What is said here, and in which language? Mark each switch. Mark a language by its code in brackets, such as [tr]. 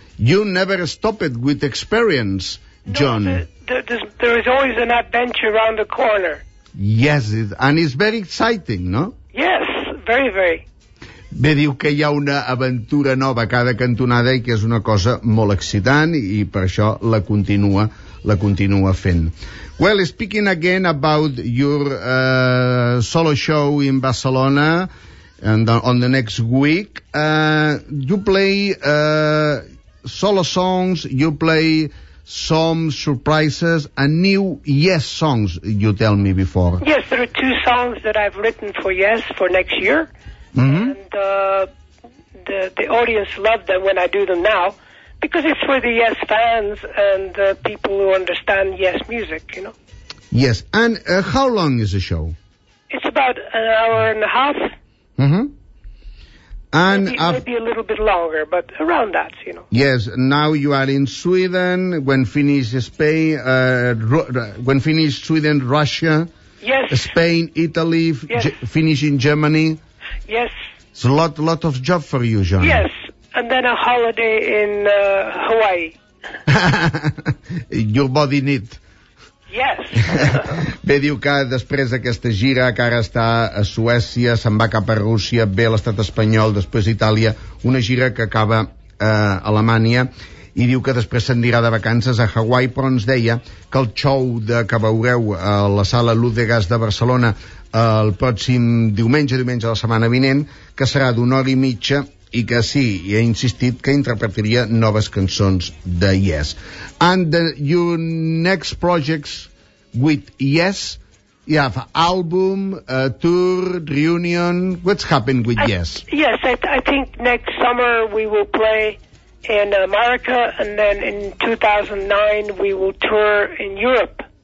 [en] You never stop it with experience, John. There is always an adventure around the corner. Yes, and it's very exciting, no? Yes, very, very. [ca] Bé, diu que hi ha una aventura nova a cada cantonada i que és una cosa molt excitant i per això la continua fent. [en] Well, speaking again about your solo show in Barcelona on the next week, you play solo songs, you play some surprises and new Yes songs, you tell me before. Yes, there are 2 songs that I've written for Yes for next year. Mm-hmm. And the audience love them when I do them now, because it's for the Yes fans and the people who understand Yes music, you know. Yes, and how long is the show? It's about an hour and a half. Mm-hmm. And maybe a little bit longer, but around that, you know. Yes, now you are in Sweden. When finished Spain, when finished Sweden, Russia. Yes. Spain, Italy. Yes. Finishing Germany. Yes. It's a lot of job for you, John. Yes, and then a holiday in Hawaii. Your body need. Yes. [ca] Bé, diu que després d'aquesta gira, que ara està a Suècia, se'n va cap a Rússia, ve a l'estat espanyol, després a Itàlia, una gira que acaba a Alemanya, i diu que després s'anirà de vacances a Hawaii, però ens deia que el show de, que veureu a la sala Ludegas de Barcelona el pròxim diumenge de la setmana vinent, que serà d'una hora i mitja, i que sí, i ha insistit que interpretaria noves cançons de Yes. [en] And the, your next projects with Yes, you have album, tour, reunion, what's happened with Yes? Yes, I think next summer we will play in America, and then in 2009 we will tour in Europe.